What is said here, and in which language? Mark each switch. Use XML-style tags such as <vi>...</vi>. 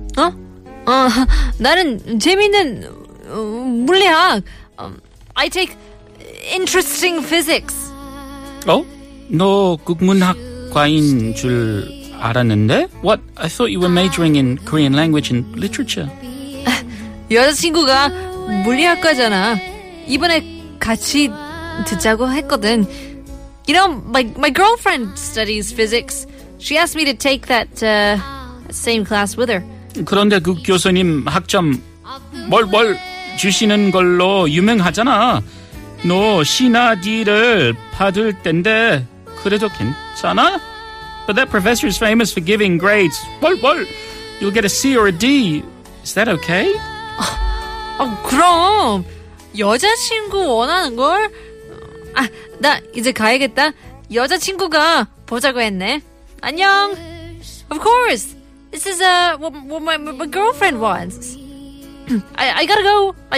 <ko>어? 나는 재미있는 물리학.</ko> <en>I take interesting physics.</en> <ko>어? 너 국문학? 과인 줄 알았는데?</ko> <en>What? I thought you were majoring in Korean language and literature.</en> <ko>여자친구가 물리학과잖아. 이번에 같이 듣자고 했거든.</ko> <en>You know, my girlfriend studies physics. She asked me to take that same class with her.</en> <ko>그런데 그 교수님 학점 뭘 주시는 걸로 유명하잖아. 너 C나 D를 받을 텐데 그래도 괜찮아?</ko> <en>But that professor is famous for giving grades. Well, you'll get a C or a D. Is that okay?</en> <ko>Oh, 그럼 여자친구 원하는 걸? 아, 나 이제 가야겠다. 여자친구가 보자고 했네. 안녕.</ko> <en>Of course. This is what my girlfriend wants. I gotta go.</en>